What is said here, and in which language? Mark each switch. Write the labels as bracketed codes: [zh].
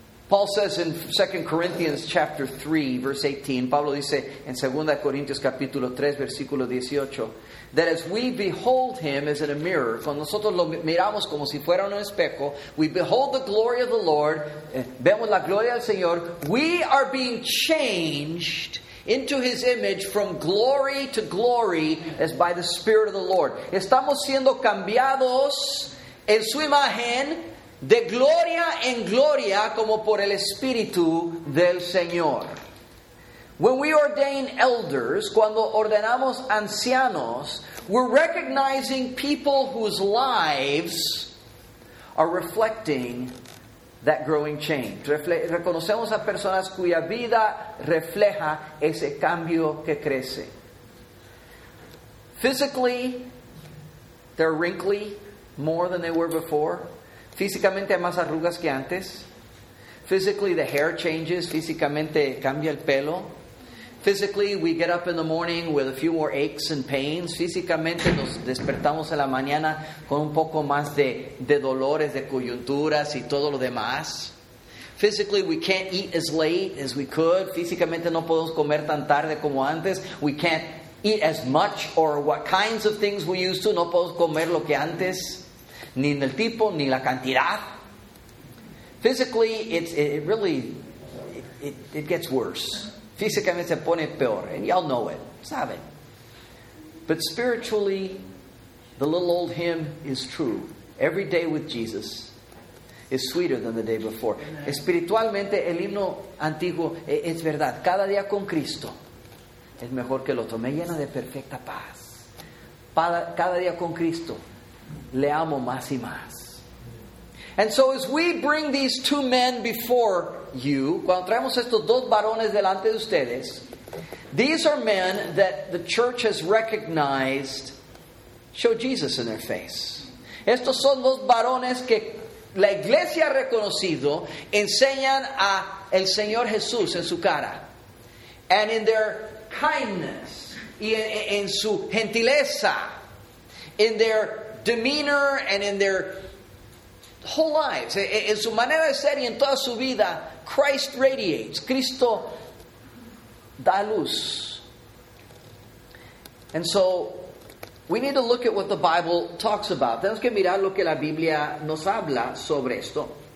[en] Paul says in 2 Corinthians chapter 3, verse 18, [es] Pablo dice en 2 Corintios capítulo 3, versículo 18, [en] that as we behold him as in a mirror, [es] cuando nosotros lo miramos como si fuera un espejo, [en] we behold the glory of the Lord, [es] vemos la gloria del Señor, [en] we are being changed into his image from glory to glory as by the Spirit of the Lord. [es] Estamos siendo cambiados en su imagen, de gloria en gloria, como por el Espíritu del Señor. [en] When we ordain elders, [es] cuando ordenamos ancianos, [en] we're recognizing people whose lives are reflecting that growing change. [es] Reconocemos a personas cuya vida refleja ese cambio que crece. [en] Physically, they're wrinkly more than they were before. [es] Físicamente hay más arrugas que antes. [en] Physically, the hair changes. [es] Físicamente cambia el pelo. [en] Physically, we get up in the morning with a few more aches and pains. [es] Físicamente nos despertamos en la mañana con un poco más de dolores, de coyunturas y todo lo demás. [en] Physically, we can't eat as late as we could. [es] Físicamente no podemos comer tan tarde como antes. [en] We can't eat as much or what kinds of things we used to. [es] No podemos comer lo que antes. Ni en el tipo, ni la cantidad. [en] Physically, it really gets worse. [es] Físicamente se pone peor. [en] And y'all know it. [es] Saben. [en] But spiritually, the little old hymn is true. Every day with Jesus is sweeter than the day before. [es] Amen. Espiritualmente, el himno antiguo es verdad. Cada día con Cristo es mejor que el otro. Me llena de perfecta paz. Cada día con Cristo le amo más y más. [en] And so as we bring these two men before you, [es] cuando traemos estos dos varones delante de ustedes, [en] these are men that the church has recognized show Jesus in their face. [es] Estos son dos varones que la iglesia ha reconocido enseñan a el Señor Jesús en su cara. [en] And in their kindness, [es] y en su gentileza, [en] in their demeanor and in their whole lives, [es] en su manera de ser y en toda su vida, [en] Christ radiates. [es] Cristo da luz. [en] And so we need to look at what the Bible talks about. [es] Tenemos que mirar lo que la Biblia nos habla sobre esto.